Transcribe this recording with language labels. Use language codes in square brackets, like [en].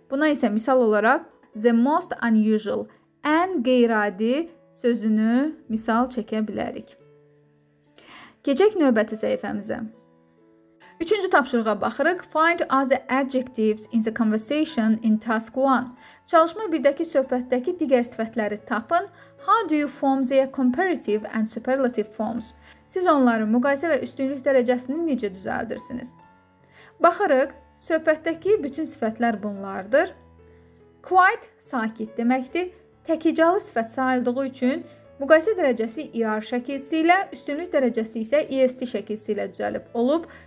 [az] Buna isə misal olaraq [en] the most unusual, [az] ən qeyri-adi sözünü misal çəkə bilərik. Keçək növbəti səhifəmizə. Üçüncü tapşırığa baxırıq. [en] Find other adjectives in the conversation in task 1. [az] Çalışma birdəki söhbətdəki digər sifətləri tapın. [en] How do you form their comparative and superlative forms? [az] Siz onların müqayisə və üstünlük dərəcəsini necə düzəldirsiniz? Baxırıq. Söhbətdəki bütün sifətlər bunlardır. Quite sakit deməkdir. Təkicalı sifət sayıldığı üçün müqayisə dərəcəsi ER şəkilsi ilə, üstünlük dərəcəsi isə EST şəkilsi ilə düzəlib olub.